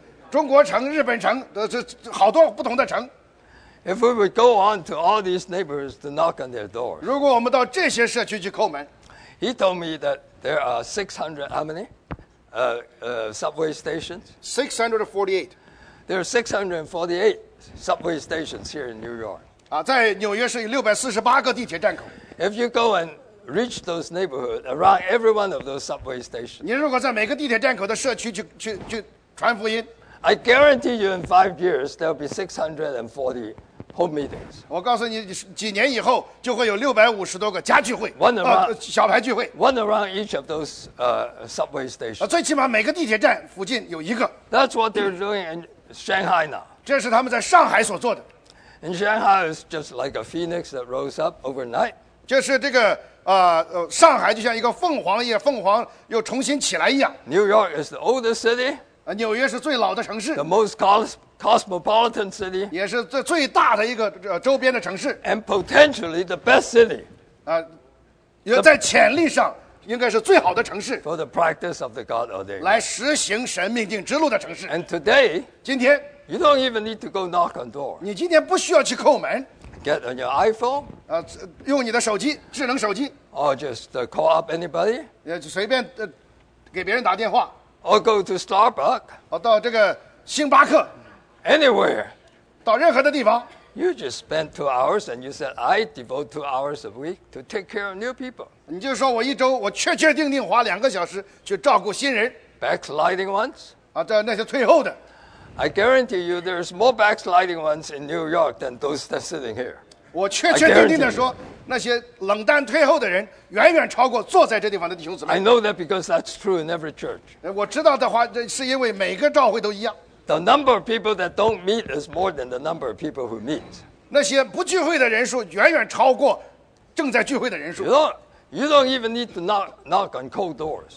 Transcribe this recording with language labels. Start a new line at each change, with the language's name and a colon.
Chinese: 中国城、日本城，这好多不同的城。
English: If we would go on to all these neighbors to knock on their doors,
Chinese: 如果我们到这些社区去叩门
English: he told me that there are 600 how many, subway stations. 648. There are 648 subway stations here in New York.
Chinese: 啊，在纽约市有648个地铁站口。
English: If you go and reach those neighborhoods around every one of those subway stations,
Chinese: 你如果在每个地铁站口的社区去传福音
English: I guarantee you, in 5 years, there will be 640. Home meetings.
Chinese: 我告诉你，几年以后就会有650多个家聚会
English: ，one around
Chinese: 小牌聚会
English: ，one around each of those subway stations.
Chinese: 最起码每个地铁站附近有一个。
English: That's what they're doing in Shanghai now.
Chinese: 这是他们在上海所做的。
English: In Shanghai, it's just like a phoenix that rose up overnight.
Chinese: 就是这个上海就像一个凤凰一样，凤凰又重新起来一样。
English: New York is the oldest city.
Chinese: 纽约是最老的城市。
English: The most cosmopolitan city,
Chinese: 也是最大的一个周边的城市
English: and potentially the best city,
Chinese: 也在潜力上应该是最好的城市
English: for the practice of the God ordained,
Chinese: 来实行神命定之路的城市
English: and today,
Chinese: 今天
English: you don't even need to go knock on door,
Chinese: 你今天不需要去叩门
English: get on your iPhone,
Chinese: 用你的手机智能手机
English: or just call up anybody,
Chinese: 也随便给别人打电话
English: or go to Starbucks,
Chinese: 到这个星巴克
English: Anywhere,
Chinese: 到任何的地方
English: You just spend 2 hours, and you said I devote 2 hours a week to take care of new people.
Chinese: 你就说我一周我确确定定花2个小时去照顾新人
English: Backsliding ones,
Chinese: 在那些退后的
English: I guarantee you, there's more backsliding ones in New York than those that sitting here.
Chinese: 我确确定定的说，那些冷淡退后的人远远超过坐在这地方的弟兄姊妹。
English: I know that because that's true in every church.
Chinese: 我知道的话，这是因为每个召会都一样。
English: The number of people that don't meet is more than the number of people who meet.
Chinese: 那些不聚会的人数远远超过正在聚会的人数。
English: You don't even need to knock on cold doors.